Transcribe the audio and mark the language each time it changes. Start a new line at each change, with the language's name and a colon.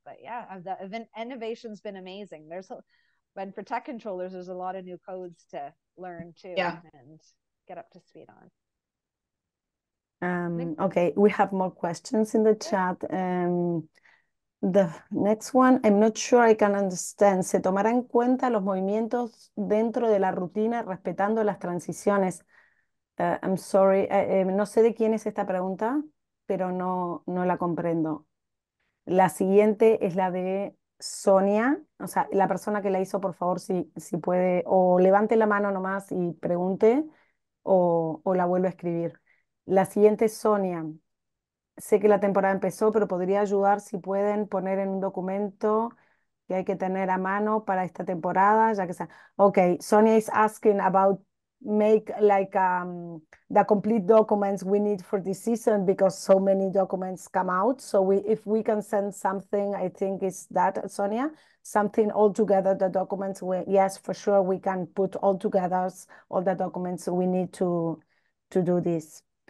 English: But yeah, the innovation's been amazing. When for tech controllers, there's a lot of new codes to learn too and get up to speed on. Okay, we have more questions in the chat. The next one, I'm not sure I can understand.
Spanish: ¿Se tomará en cuenta los movimientos dentro de la rutina respetando las transiciones?
English: I'm sorry,
Spanish: no sé de quién es esta pregunta, pero no la comprendo. La siguiente es la de Sonia. O sea, la persona que la hizo, por favor, si puede, o levante la mano nomás y pregunte, o la vuelvo a escribir. La siguiente es Sonia. Sé que la temporada empezó, pero podría ayudar si pueden poner en un documento que hay que tener a mano para esta temporada, ya que sea.
English: Okay, Sonia is asking about make like the complete documents we need for this season because so many documents come out. So if we can send something, I think it's that, Sonia, something all together, the documents. Yes, for sure, we can put all together all the documents we need to do this.